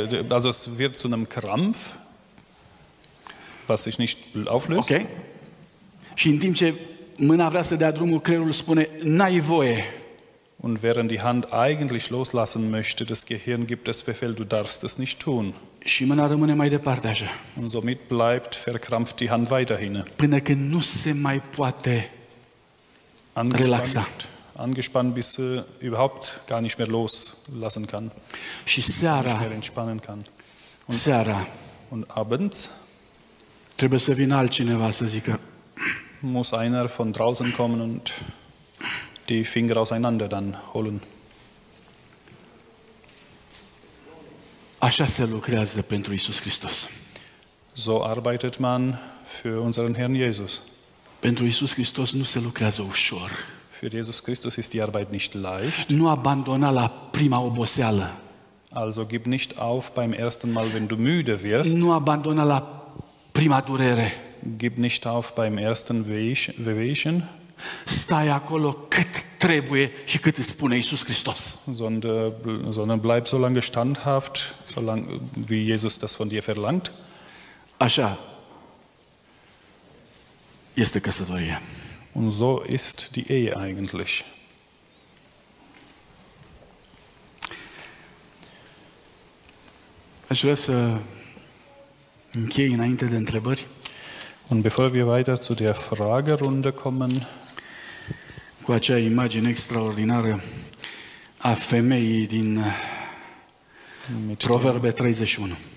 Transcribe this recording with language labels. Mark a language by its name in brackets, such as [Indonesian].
[German] Also es wird zu einem Krampf, was sich nicht auflöst. Okay. [Romanian] Și în timp ce mâna vrea să dea drumul, creierul spune, n-ai voie. [German] Und während die Hand eigentlich loslassen möchte, das Gehirn gibt das Befehl, du darfst es nicht tun. [Romanian] Și mâna rămâne mai departe așa. [German] Und somit bleibt verkrampft die Hand weiterhin. [Romanian] Până când nu se mai poate relaxa. [German] Angespannt, bis sie überhaupt gar nicht mehr loslassen kann. [Romanian] Și seara. [German] Nicht mehr entspannen kann. Und [Romanian] seara. [German] Und abends. [Romanian] Trebuie să vină altcineva să zică. [German] Muss einer von draußen kommen und die Finger auseinander dann holen. [Romanian] Așa se lucrează pentru Iisus Hristos. [German] So arbeitet man für unseren Herrn Jesus. [Romanian] Pentru Iisus Hristos nu se lucrează ușor. [German] Für Jesus Christus ist die Arbeit nicht leicht. [Romanian] Nu abandona la prima oboseală. [German] Also gib nicht auf beim ersten Mal, wenn du müde wirst. [Romanian] Nu abandona la prima durere. [German] Gib nicht auf beim ersten Wehwehchen. [Romanian] Stai acolo cât trebuie și cât îți spune Iisus Hristos. [German] Sondern bleib so lange standhaft, so lang, wie Jesus das von dir verlangt. [Romanian] Așa este căsătoria. [German] Und so ist die Ehe eigentlich. [Romanian] Aș vrea să închei înainte de întrebări. [German] Und bevor wir weiter zu der Fragerunde kommen, [Romanian] cu acea imagine extraordinară a femeii din Proverbe 31.